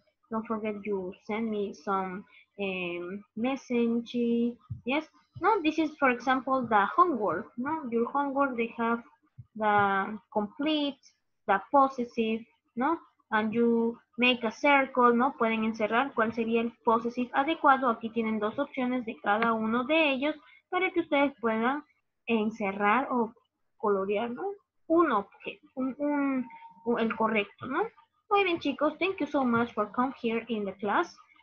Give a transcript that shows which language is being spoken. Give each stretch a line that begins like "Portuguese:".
English: Don't forget you send me some message. Yes? No, this is for example the homework. No, your homework, they have the complete, the possessive, no? And you make a circle,
Spanish: ¿no? Pueden encerrar cuál sería el possessive adecuado. Aquí tienen dos opciones de cada uno de ellos para que ustedes puedan encerrar o colorear, ¿no? Un objeto, el correcto, ¿no? Muy bien, chicos.
English: Thank you so much for coming here in the class.